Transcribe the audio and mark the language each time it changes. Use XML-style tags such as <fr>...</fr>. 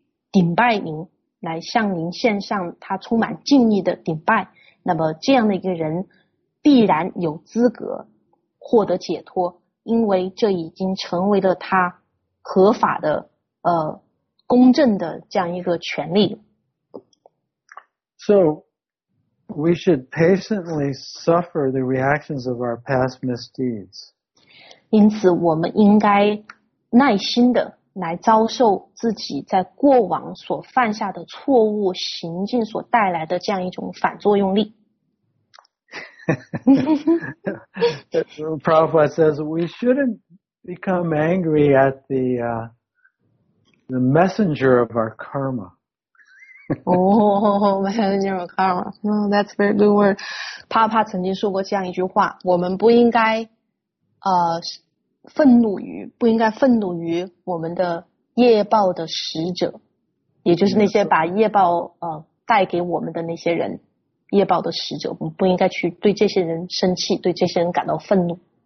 <zh>顶拜您，来向您献上他充满敬意的顶拜，那么这样的一个人必然有资格获得解脱，因为这已经成为了他合法的公正的这样一个权利。</zh> <en>So, we should patiently suffer the reactions of our past misdeeds.</en> <zh>因此我们应该耐心的来遭受自己在过往所犯下的错误行径所带来的这样一种反作用力。</zh> <en>Prabhupada says we shouldn't become angry at the messenger of our karma. Oh, messenger of karma. Oh, that's a very good word.</en> <zh>帕帕曾经说过这样一句话，我们不应该愤怒于，不应该愤怒于我们的业报的使者，也就是那些把业报带给我们的那些人，业报的使者，我们不应该去对这些人生气，对这些人感到愤怒。</zh>